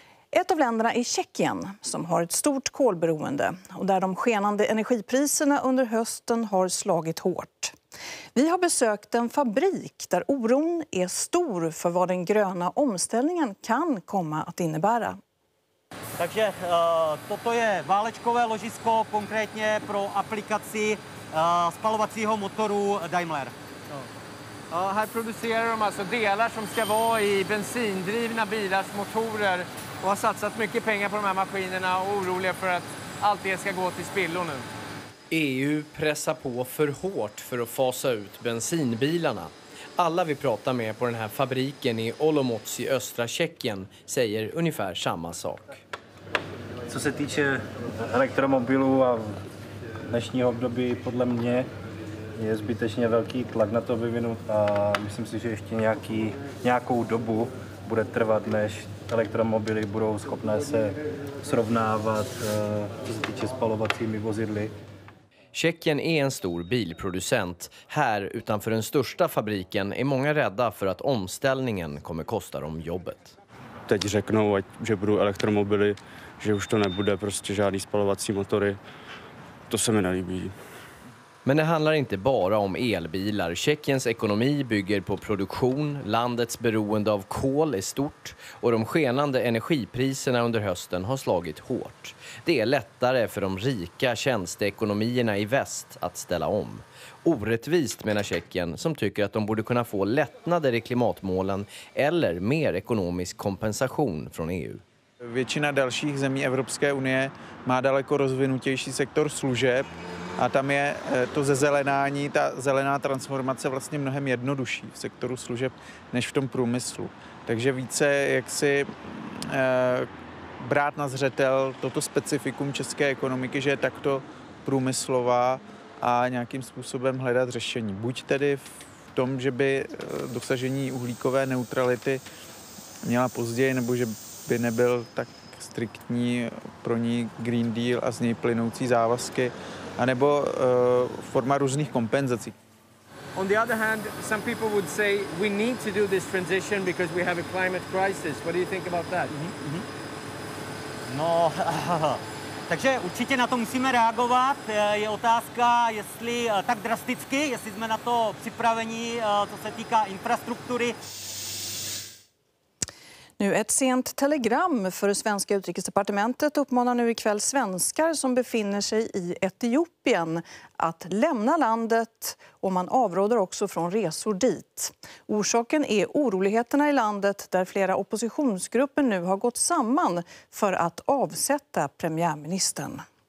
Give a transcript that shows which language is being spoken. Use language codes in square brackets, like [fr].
[sv] Ett av länderna är Tjeckien som har ett stort kolberoende och där de skenande energipriserna under hösten har slagit hårt. Vi har besökt en fabrik där oron är stor för vad den gröna omställningen kan komma att innebära. [cs] Takže toto je válečkové ložisko konkrétně pro aplikaci spalovacího motoru Daimler. [sv] Här producerar de alltså delar som ska vara i bensindrivna bilars motorer. Och har satsat mycket pengar på de här maskinerna och oroliga för att allt det ska gå till spillo nu. EU pressar på för hårt för att fasa ut bensinbilarna. Alla vi pratar med på den här fabriken i Olomouc i östra Tjeckien säger ungefär samma sak. [cs] Co se týče elektromobilů a v dnešní období podle mě je zbytečně velký tlak na to vyvinout a myslím si, že ještě nějakou dobu bude trvat, než elektromobily budou schopné se srovnávat co se týče spalovacími vozidly. [sv] Tjeckien är en stor bilproducent. Här utanför den största fabriken är många rädda för att omställningen kommer kosta dem jobbet. [cs] Teď řeknou, že budou elektromobily, že už to nebude prostě žádný spalovací motory. To se mi nelíbí. [sv] Men det handlar inte bara om elbilar. Tjeckiens ekonomi bygger på produktion, landets beroende av kol är stort och de skenande energipriserna under hösten har slagit hårt. Det är lättare för de rika tjänsteekonomierna i väst att ställa om. Orättvist menar Tjeckien som tycker att de borde kunna få lättnader i klimatmålen eller mer ekonomisk kompensation från EU. [cs] Většina dalších zemí Evropské unie má daleko rozvinutější sektor služeb a tam je to zezelenání, ta zelená transformace vlastně mnohem jednodušší v sektoru služeb než v tom průmyslu. Takže více jaksi brát na zřetel toto specifikum české ekonomiky, že je takto průmyslová a nějakým způsobem hledat řešení. Buď tedy v tom, že by dosažení uhlíkové neutrality měla později, nebo že by nebyl tak striktní pro ní Green Deal a z něj plynoucí závazky, anebo forma různých kompenzací. [en] On the other hand, some people would say we need to do this transition because we have a climate crisis. What do you think about that? [cs] No, takže určitě na to musíme reagovat. Je otázka, jestli tak drasticky, jestli jsme na to připraveni, co se týká infrastruktury. [sv] Nu ett sent telegram för svenska utrikesdepartementet uppmanar nu ikväll svenskar som befinner sig i Etiopien att lämna landet och man avråder också från resor dit. Orsaken är oroligheterna i landet där flera oppositionsgrupper nu har gått samman för att avsätta premiärministern.